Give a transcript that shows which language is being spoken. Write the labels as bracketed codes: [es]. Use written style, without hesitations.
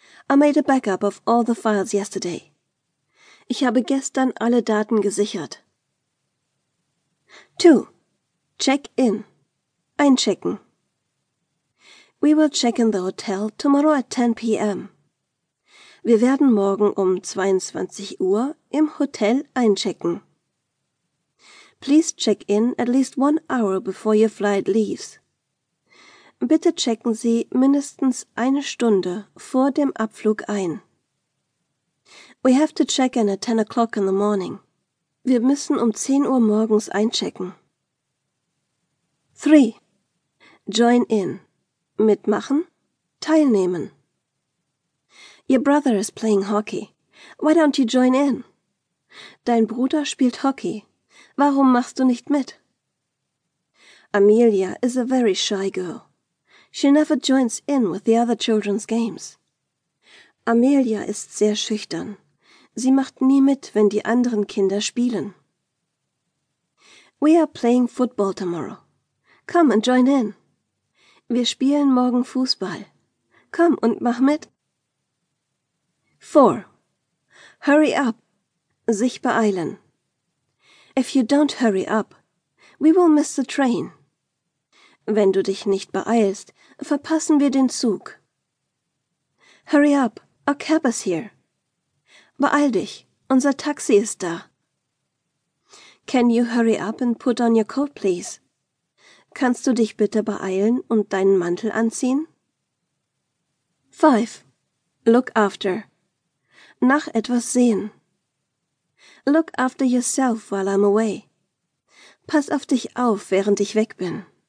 [en] I made a backup of all the files yesterday. [de] Ich habe gestern alle Daten gesichert. 2. [en] Check in. [de] Einchecken. [en] We will check in the hotel tomorrow at 10 p.m. [de] Wir werden morgen um 22 Uhr im Hotel einchecken. [en] Please check in at least 1 hour before your flight leaves. [de] Bitte checken Sie mindestens 1 Stunde vor dem Abflug ein. [en] We have to check in at 10 o'clock in the morning. [de] Wir müssen um 10 Uhr morgens einchecken. 3. [en] Join in. [de] Mitmachen, teilnehmen. [en] Your brother is playing hockey. Why don't you join in? [de] Dein Bruder spielt Hockey. Warum machst du nicht mit? [en] Amelia is a very shy girl. She never joins in with the other children's games. [de] Amelia ist sehr schüchtern. Sie macht nie mit, wenn die anderen Kinder spielen. [en] We are playing football tomorrow. Come and join in. [de] Wir spielen morgen Fußball. Komm und mach mit. 4. [en] Hurry up. [de] Sich beeilen. [en] If you don't hurry up, we will miss the train. [de] Wenn du dich nicht beeilst, verpassen wir den Zug. [en] Hurry up, our cab is here. [de] Beeil dich, unser Taxi ist da. [en] Can you hurry up and put on your coat, please? [de] Kannst du dich bitte beeilen und deinen Mantel anziehen? 5. [en] Look after. [de] Nach etwas sehen. [en] Look after yourself while I'm away. [de] Pass auf dich auf, während ich weg bin.